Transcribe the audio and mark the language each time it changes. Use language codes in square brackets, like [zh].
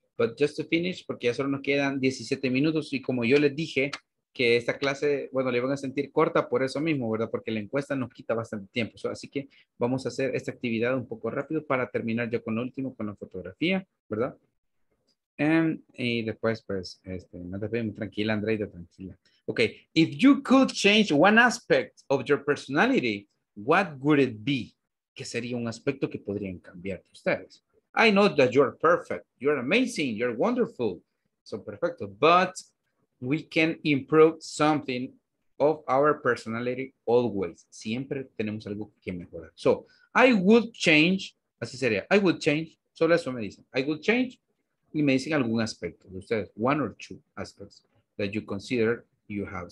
[en] But just to finish, [es] porque ya solo nos quedan 17 minutos y como yo les dije que esta clase, bueno, le van a sentir corta por eso mismo, ¿verdad? Porque la encuesta nos quita bastante tiempo. So, así que vamos a hacer esta actividad un poco rápido para terminar ya con lo último, con la fotografía, ¿verdad? Y después, pues, me despido tranquila, Andreita, tranquila. [en] Ok, if you could change one aspect of your personality, what would it be? [es] ¿Qué sería un aspecto que podrían cambiar de ustedes? [en] I know that you're perfect, you're amazing, you're wonderful, so perfecto, but we can improve something of our personality always. [es] Siempre tenemos algo que mejorar. [en] So, I would change, [es] así sería, [en] I would change, [es] solo eso me dicen, [en] I would change, [es] y me dicen algún aspecto de ustedes, [en] one or two aspects that you consider you have.